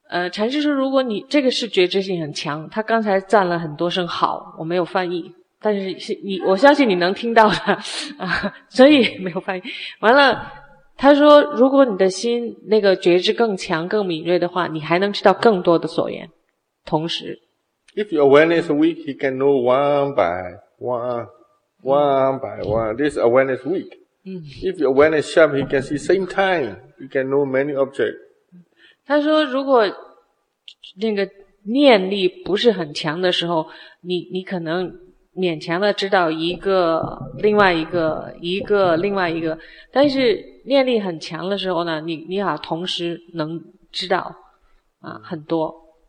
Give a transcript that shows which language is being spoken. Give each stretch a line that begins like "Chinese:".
Chinese: 禅师说如果你这个是觉知性很强，他刚才赞了很多声好，我没有翻译，但是你我相信你能听到的所以没有翻译。完了他说如果你的心那个觉知更强更敏锐的话，你还能知道更多的所缘。同时
English: If your awareness is weak, he can know one by one one by one. This awareness weak. If your awareness sharp, you can see same time. You can know many objects.
Chinese: 他说如果那个念力不是很强的时候，你可能勉强的知道一个另外一个一个另外一个，但是念力很强的时候呢，你好同时能知道啊很多。